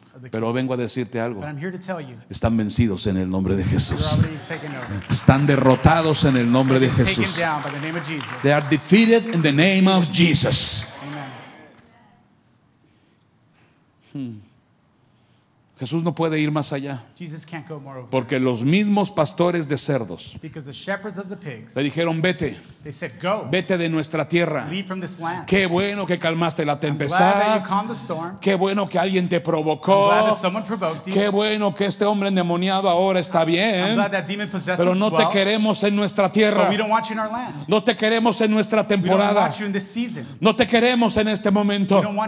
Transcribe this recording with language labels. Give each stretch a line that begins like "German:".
Spanish: Pero vengo a decirte algo. Están vencidos en el nombre de Jesús. Están derrotados en el nombre de Jesús.
English: They are defeated in the name of Jesus.
Spanish: Jesús no puede ir más allá porque los mismos pastores de cerdos le dijeron vete, vete de nuestra tierra. Qué bueno que calmaste la tempestad, qué bueno que alguien te provocó, qué bueno que este hombre endemoniado ahora está bien, pero no te queremos en nuestra tierra, no te queremos en nuestra temporada, no te queremos en este momento.